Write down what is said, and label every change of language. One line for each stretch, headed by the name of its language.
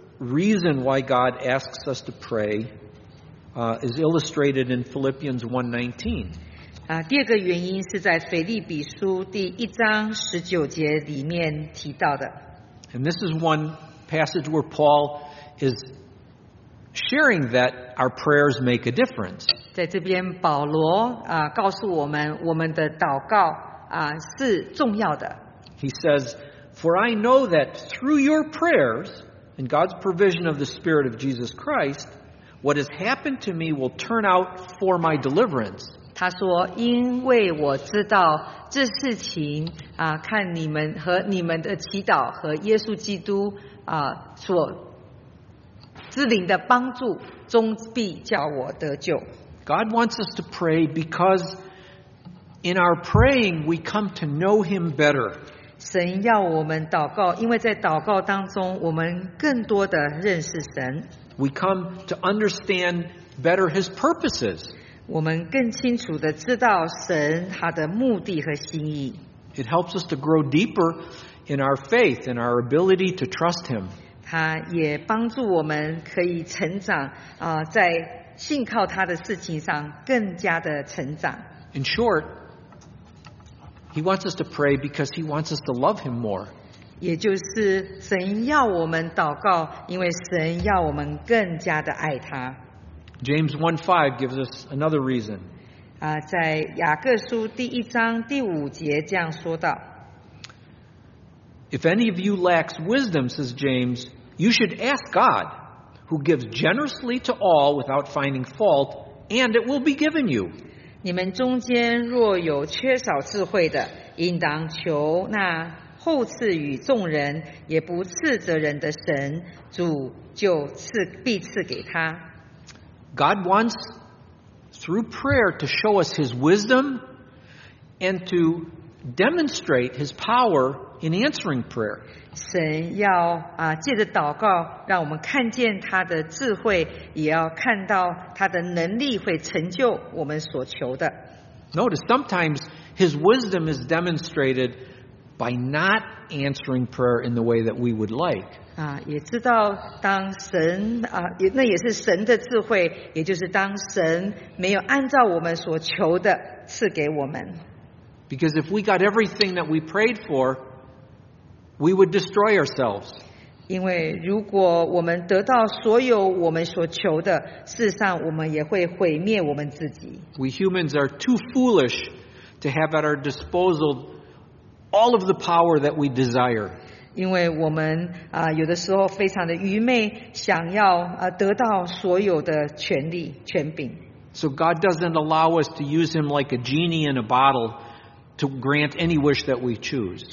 English: Reason why God asks us to pray is illustrated in Philippians 1:19.
Chinese: 第二个原因是在腓立比书第一章十九节里面提到的。
English: And this is one passage where Paul is sharing that our prayers make a difference.
Chinese: 在这边保罗告诉我们，我们的祷告是重要的。
English: He says, "For I know that through your prayers,And God's provision of the Spirit of Jesus Christ, what has happened to me will turn out for my deliverance.
Chinese: 他说，因为我知道这事情看你们和你们的祈祷和耶稣基督所赐灵的帮助，终必叫我得救。
English: God wants us to pray because in our praying we come to know Him better.
Chinese: 神要我们祷告，因为在祷告当中，我们更多的认识神。
English: We come to understand better His purposes.
Chinese: 我们更清楚地知道神他的目的和心意。
English: It helps us to grow deeper in our faith and our ability to trust Him.
Chinese: 他也帮助我们可以成长在信靠他的事情上更加的成长。
English: In short,He wants us to pray because He wants us to love Him more.
Chinese: 也就是神要我们祷告，因为神要我们更加的爱他。
English: James 1:5 gives us another reason.
Chinese: 在雅各书第一章第五节这样说道。
English: If any of you lacks wisdom, says James, you should ask God, who gives generously to all without finding fault, and it will be given you.
Chinese: 你们中间若有缺少智慧的，应当求那厚赐与众人也不斥责人的神，主就必赐给他。
English: God wants through prayer to show us His wisdom and to demonstrate his power in answering prayer.
Chinese: 神要借着祷告让我们看见他的智慧，也要看到他的能力会成就我们所求的。
English: Notice, sometimes his wisdom is demonstrated by not answering prayer in the way that we would like.
Chinese: 也知道当神那也是神的智慧，也就是当神没有按照我们所求的赐给我们。
English: Because if we got everything that we prayed for, we would destroy ourselves.
Chinese: 因为如果我们得到所有我们所求的，事实上我们也会毁灭我们自己。
English: We humans are too foolish to have at our disposal all of the power that we desire.
Chinese: 因为我们有的时候非常的愚昧，想要得到所有的权力权柄。
English: So God doesn't allow us to use him like a genie in a bottle. To grant any wish that we choose.